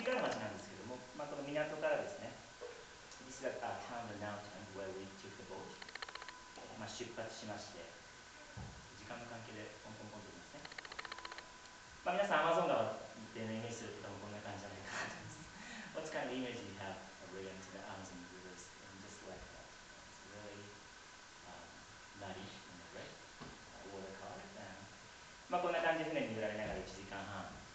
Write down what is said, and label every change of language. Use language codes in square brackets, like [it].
[ja] まあこれが南端という町なんですね。割と活気がある町なんですけども、まあこの港からですね。 [en] This is the town of Nelton where we took the boat. [ja] まあ出発しまして、時間の関係でポンポンポンと言いますね。まあ皆さん Amazon 川で目にする方もこんな感じじゃないかなと思います。 [en] What kind of image do you have of going to the Amazon rivers? And just like that. It's really muddy in the red water color. [ja] まあこんな感じで船に揺られながら1時間半。